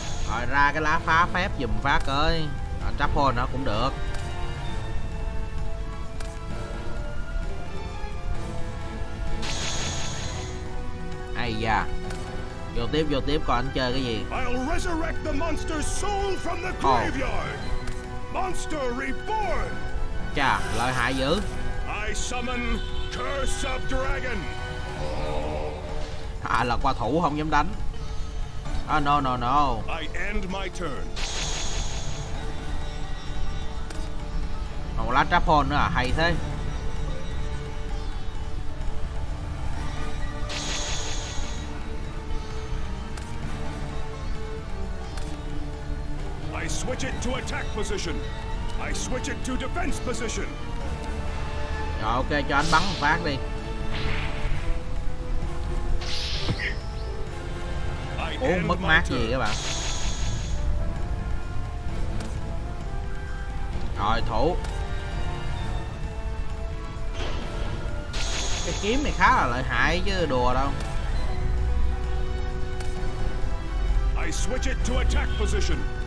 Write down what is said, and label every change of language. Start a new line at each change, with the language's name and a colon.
Vietnamese: Rồi ra cái lá phá phép dùm phát ơi. Trap hole nó cũng được. Ây da. Vô tiếp coi anh chơi cái gì.
English: I'll resurrect the monster's soul from the graveyard.
Vietnamese: Monster reborn. Chà, lợi hại dữ.
English: I summon curse of dragon.
Vietnamese: À là qua thủ không dám đánh.
English: Oh, no. I end my turn.
Vietnamese: Một lá trap hole nữa à, hay thế.
English: I switch it to attack position. I switch it to defense position.
Vietnamese: Rồi ok, cho anh bắn một phát đi. Uống mất mát gì các bạn. Rồi thủ. Cái kiếm này khá là lợi hại chứ đùa đâu.
English: I switch it to attack position.